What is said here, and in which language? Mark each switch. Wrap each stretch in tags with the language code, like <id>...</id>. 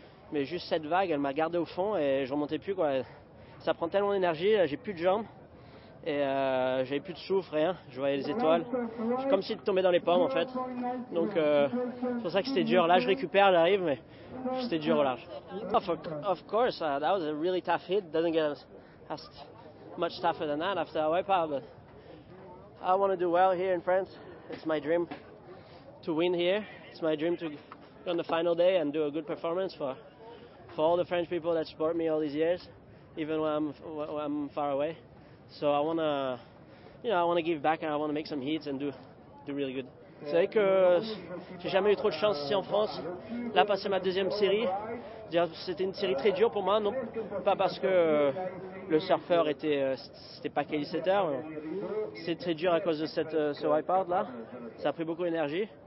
<fr>Mais juste cette vague, elle m'a gardé au fond et je remontais plus quoi. Ça prend tellement d'énergie, j'ai plus de jambes et j'avais plus de souffle, rien. Je voyais les étoiles, comme si je tombais dans les pommes en fait. Donc c'est pour ça que c'était dur. Là, je récupère, j'arrive, mais c'était dur au large.</fr> <en>Of course, that was a really tough hit. Doesn't get as much tougher than that after a wipeout. But I want to do well here in France. It's my dream to win here. It's my dream to on the final day and do a good performance for all the French people that support me all these years, even when I'm far away. So I want to, you know, I want to give back and I want to make some hits and do really good.</en> <fr>C'est vrai que j'ai jamais eu trop de chance ici en France. Là, passer ma deuxième série, c'était une série très dure pour moi, non pas parce que le surfeur c'était pas Kelly Setter, c'est très dur à cause de ce wipeout là. Ça a pris beaucoup d'énergie.</fr>